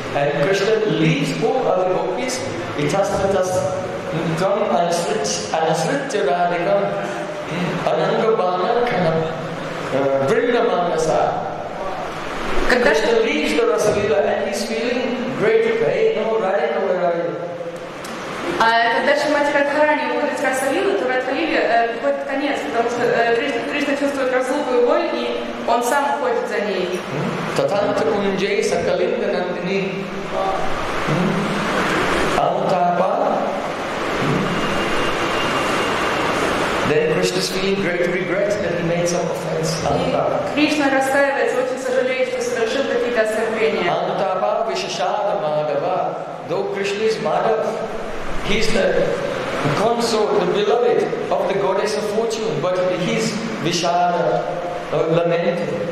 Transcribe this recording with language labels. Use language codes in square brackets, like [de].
[en] And Krishna leaves all other gopis. It has let us come and switch and switch to Radhika. [sa] Anangabana Kanam. Vrindamanasa. [en] Krishna leaves the Rasa Lila and he's feeling great pain. Oh, Radhika, where are you? [ru] Когда Шримати Радхарани уходит с Раса Лилы, то Радха Лиле приходит конец, потому что Кришна чувствует разлуку и боль, и он сам уходит за ней. [sa] Татанта Кунджей Сакалинда Нандини. Амутапа. [en] Then Krishna is feeling great regret that he made some offense. [ru] Кришна раскаивается, очень сожалеет, что совершил какие-то оскорбления. [sa] Амутапа Вишашада Мадава. [en] Though Krishna is Madhav, he's the consort, the beloved of the goddess of fortune, but he's Vishara, lamented.